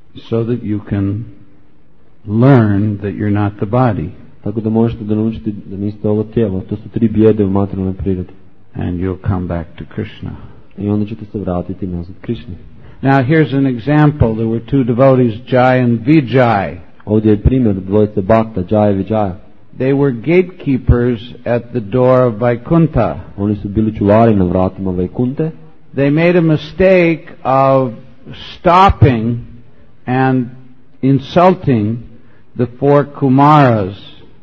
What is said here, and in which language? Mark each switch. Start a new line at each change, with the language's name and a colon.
English: So that you can learn that you're not the body.
Croatian: Tako da možete da naučite da niste ovo tijelo. To su tri bijede u materijalnoj prirodi.
English: And you'll come back to Krishna.
Croatian: I onda ćete se vratiti nazad Krishna.
English: Now here's an example. There were two devotees, Jai and Vijay.
Croatian: Ovdje je primjer dvojice bhakta, Jai i Vijay.
English: They were gatekeepers at the door of Vaikuntha.
Croatian: Oni su bili čuvari na vratima Vaikunte.
English: They made a mistake of stopping and insulting the four kumaras.